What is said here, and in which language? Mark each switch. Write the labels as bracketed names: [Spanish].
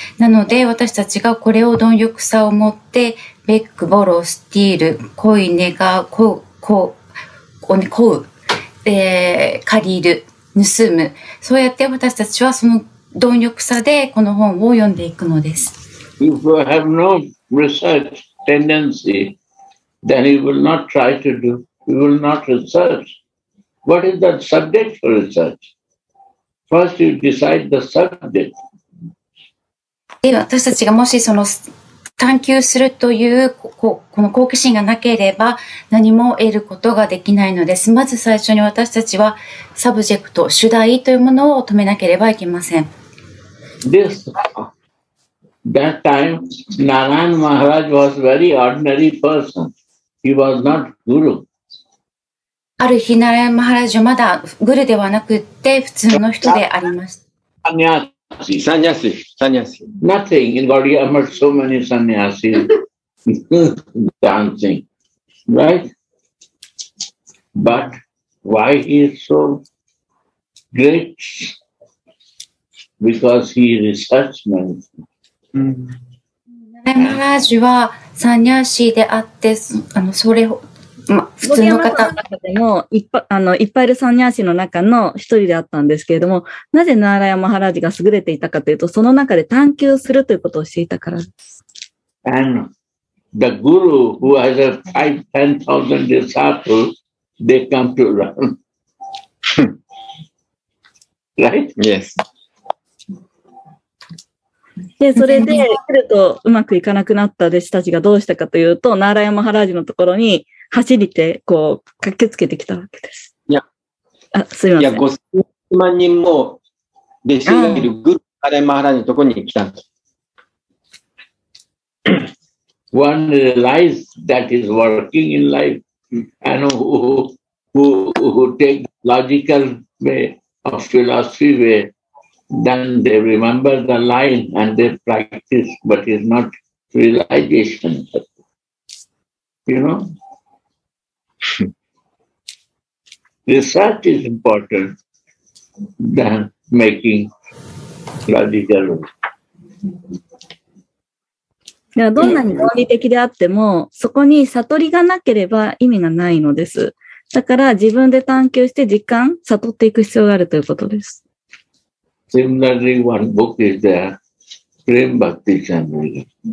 [Japanese] なので、私たちがこれを貪欲さを持って、ベック、ボロ、スティール、恋、願う、こう、借りる、盗む。そうやって私たちはその貪欲さでこの本を読んでいくのです。 [English] If you have no research tendency, then you will not try to do, you will not research. What is the subject for research? First you decide the subject. [Japanese] で、私たちがもしその探求するという、この好奇心がなければ何も得ることができないのです。まず最初に私たちはサブジェクト、主題というものを止めなければいけません。 [English] This, that time, Narayan Maharaj was very ordinary person. He was not guru. [Japanese] ある日、ナラヤン・マハラジはまだグルではなくて普通の人でありました。 [English] Sannyasi. Nothing. In Gaudiya Mutt, so many sannyasi dancing. Right? But why he is so great? Because he researched many [Japanese] things. Maharaj は sannyasi であって、それを、普通の方でもいっぱいいるサンニャーシの中の一人であったんですけれども、なぜナーラヤマハラジが優れていたかというと、その中で探求するということをしていたからです。 [English] And the guru who has a 5,000 disciples, they come to learn. Right? Yes. [Japanese] で、それで、来るとうまくいかなくなった弟子たちがどうしたかというと、ナーラヤマハラージのところに走りて、こう、駆けつけてきたわけです。いや、あ、すいません。いや、 5000万人も弟子がいるグルナーラヤマハラージのところに来たんです。 [English] One realizes that is working in life and who takes logical way of philosophy way, then they remember the line and they practice, but it's not realization. You know? Research is important than making logical way. [Japanese] いや、どんなに合理的であっても、そこに悟りがなければ意味がないのです。だから自分で探求して実感、悟っていく必要があるということです。 [English] Similarly, one book is there, Prem Bhakti Chandra.